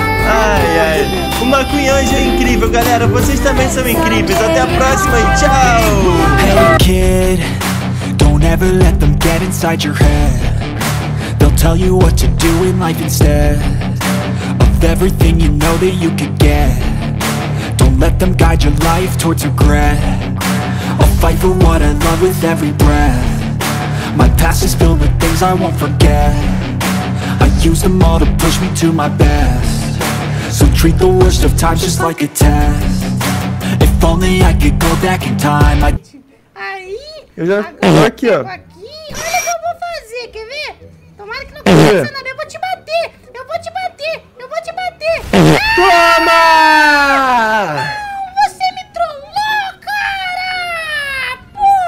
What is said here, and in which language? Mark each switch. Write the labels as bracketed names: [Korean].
[Portuguese] Ai, ai. O McQueen Anjo é incrível, galera. Vocês também são incríveis. Até a próxima e tchau. [English] Hey, kid, don't ever let them get inside your head. They'll tell you what to do in life instead of everything you know that you could get. Don't let them guide your life towards regret. I'll fight for what I love with every breath. My past is filled with things I won't forget. I use them all to push me to my best. So treat the worst of times just like a test. If only I could go back in time. [Portuguese] Aí, eu já agora tô aqui, ó. Olha o que eu vou fazer, quer ver? Tomara que não pareça na minha. Eu vou te bater! Eu vou te bater! Eu vou te bater! Toma! Não, você me trollou, cara! Pô!